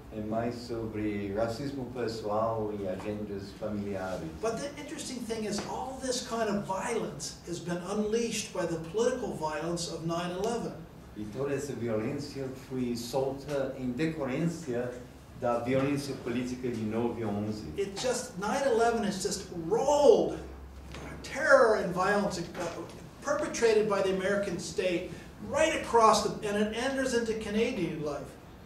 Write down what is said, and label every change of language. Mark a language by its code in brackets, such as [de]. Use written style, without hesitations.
[pt] É mais sobre racismo pessoal e agendas familiares. [en] But the interesting thing is all this kind of violence has been unleashed by the political violence of 9/11. [pt] E toda essa violência foi solta em decorrência da violência política de 9/11. [en] It just 9/11 has just rolled terror and violence perpetrated by the American state right across the, and it enters into Canadian life.